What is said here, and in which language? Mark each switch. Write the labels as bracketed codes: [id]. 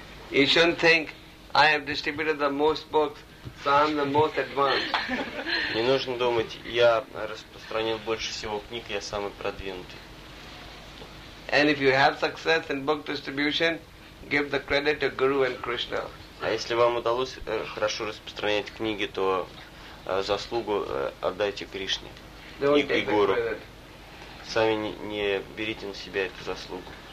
[en] You shouldn't think I have distributed the most books, so I'm the most advanced. [ru] Не нужно думать, я распространил больше всего книг, я самый продвинутый. [en] And if you have success in book distribution, give the credit to Guru and Krishna. [ru] А если вам удалось хорошо распространять книги, то заслугу отдайте Кришне и Гуру. Сами не берите на себя эту заслугу.